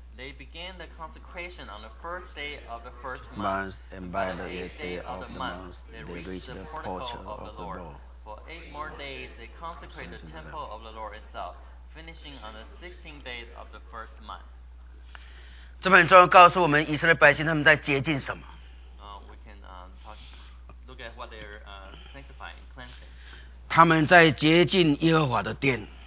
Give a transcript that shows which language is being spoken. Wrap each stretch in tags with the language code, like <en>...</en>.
<en>They began the consecration on the first day of the first month, and by the eighth day of the month, they reached the portico of the Lord. For eight more days, they consecrated the temple of the Lord itself, finishing on the 16th day of the first month.</en> <zh>这本中告诉我们以色列百姓他们在洁净什么。</zh> <en>We can look at what they're sanctifying, cleansing.</en> <zh>他们在洁净耶和华的殿。</zh>